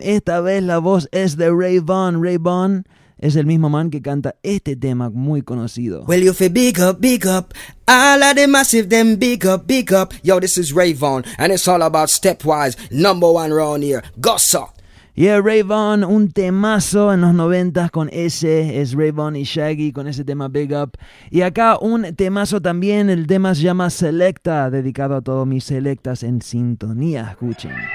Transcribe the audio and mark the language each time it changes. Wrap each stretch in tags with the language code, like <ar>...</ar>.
<es>Esta vez la voz es de Ray Vaughn. Ray Vaughn es el mismo man que canta este tema muy conocido.</es> <en>Well, you feel big up, all of the massive them big up. Yo, this is Ray Vaughn, and it's all about Stepwise, number one round here, Gossa.</en> <es>Yeah, Ray Vaughn, un temazo en los 90s con ese, es Ray Vaughn y Shaggy con ese tema Big Up. Y acá un temazo también, el tema se llama Selecta, dedicado a todos mis selectas en sintonía, escuchen.</es>